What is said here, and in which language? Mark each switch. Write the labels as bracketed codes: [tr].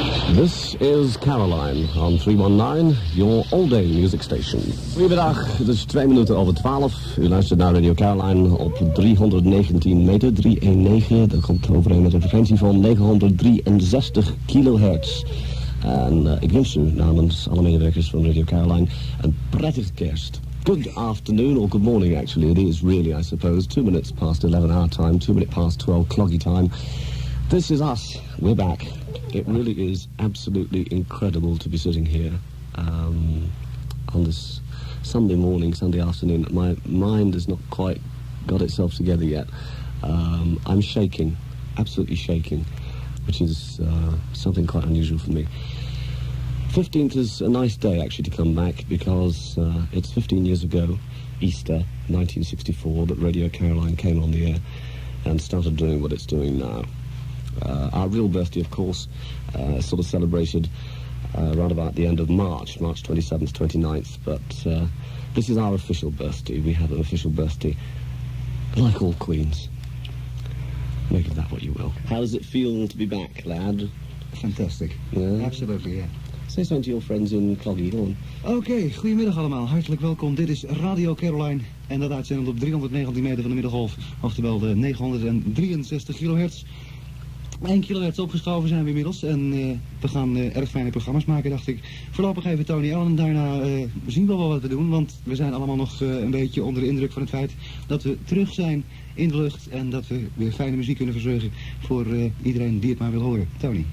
[en] This is Caroline on 319, your all-day music station. [nl] Goedemiddag, het is 2 minuten over 12. U luistert naar Radio Caroline op 319 meter, 319. Dat komt overeen met een frequentie van 963 kilohertz. En ik wens u namens alle medewerkers van Radio Caroline een prettige kerst. [en] Good afternoon, or good morning actually. It is really, I suppose, 2 minutes past 11 our time, 2 minutes past 12 cloggy time. This is us. We're back. It really is absolutely incredible to be sitting here on this Sunday morning, Sunday afternoon. My mind has not quite got itself together yet. I'm shaking, absolutely shaking, which is something quite unusual for me. 15th is a nice day, actually, to come back, because it's 15 years ago, Easter 1964, that Radio Caroline came on the air and started doing what it's doing now. Our real birthday, of course, sort of celebrated around about the end of March, March 27th, 29th, but this is our official birthday. We have an official birthday, like all queens. Make of that what you will. How does it feel to be back, lad? Fantastic. Yeah? Absolutely, yeah. Say something to your friends in Cloggy, go on. [nl] Okay, goedemiddag allemaal. Hartelijk welkom. Dit is Radio Caroline en dat uitzendt op 319 meter van de middengolf, oftewel de 963 kilohertz. 1 kilohertz opgeschoven zijn we inmiddels en we gaan erg fijne programma's maken, dacht ik. Voorlopig even Tony Allen, daarna zien we wel wat we doen, want we zijn allemaal nog een beetje onder de indruk van het feit dat we terug zijn in de lucht en dat we weer fijne muziek kunnen verzorgen voor iedereen die het maar wil horen. Tony.